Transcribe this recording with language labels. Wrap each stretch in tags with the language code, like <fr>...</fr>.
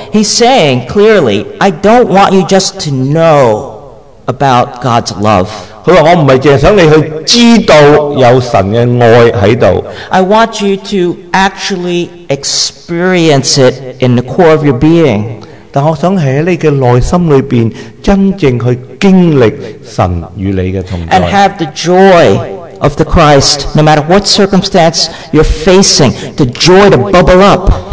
<en>He's saying clearly, I don't want you just to know about God's love.</en> <zh>他说我不是只想你去知道有神的爱在这里。</zh> <en>I want you to actually experience it in the core of your being.</en> <zh>但我想在你的内心里面真正去经历神与你的同在。</zh> <en>And have the joy of the Christ, no matter what circumstance you're facing, the joy to bubble up.</en>